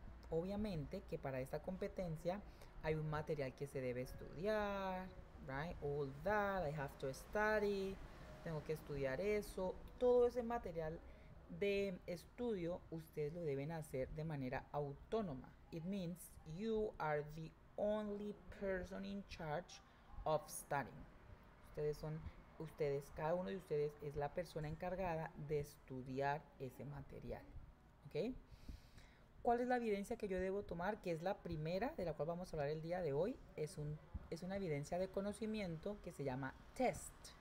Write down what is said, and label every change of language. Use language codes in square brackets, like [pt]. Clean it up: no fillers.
[es] Obviamente que para esta competencia hay un material que se debe estudiar. ¿Right? [en] All that, I have to study. [es] Tengo que estudiar eso. Todo ese material de estudio ustedes lo deben hacer de manera autónoma. [en] It means you are the only person in charge of studying. [es] Ustedes son, ustedes, cada uno de ustedes es la persona encargada de estudiar ese material. ¿Ok? ¿Cuál es la evidencia que yo debo tomar? Que es la primera de la cual vamos a hablar el día de hoy. Es una evidencia de conocimiento que se llama test.